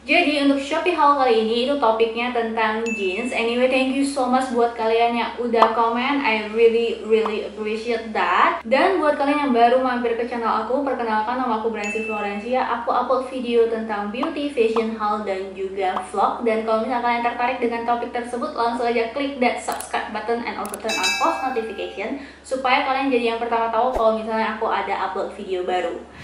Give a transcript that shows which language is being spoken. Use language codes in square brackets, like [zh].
[id] Jadi untuk shabby haul kali ini itu topiknya tentang jeans. [en] Anyway, thank you so much [id] buat kalian yang udah komen. [en] I really really appreciate that. [id] Dan buat kalian yang baru mampir ke channel aku, perkenalkan, nama aku Brancy Florencia. Aku upload video tentang beauty, fashion haul dan juga vlog. Dan kalau misalnya kalian tertarik dengan topik tersebut, langsung aja klik [en] that subscribe button and also turn on post notification [id] supaya kalian jadi yang pertama tahu kalau misalnya aku ada upload video baru.